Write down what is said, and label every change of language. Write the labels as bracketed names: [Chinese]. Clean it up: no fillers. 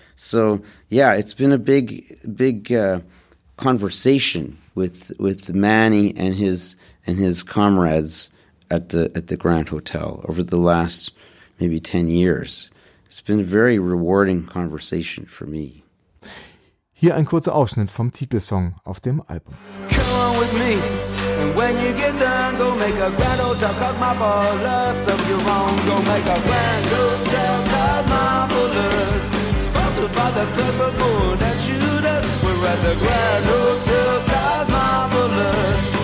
[English] So, yeah, it's been a big conversation with Manny and his comrades at the Grand Hotel over the last maybe 10 years. It's been a very rewarding conversation for me. [German] Hier ein kurzer Ausschnitt vom Titelsong auf dem Album. [English] Come on with me, and when you get done, go make a Grand Hotel Cosmopolis of your own. Go make a Grand Hotel Cosmopolis, sponsored by the purple moon and shooters. We're at the Grand Hotel Cosmopolis.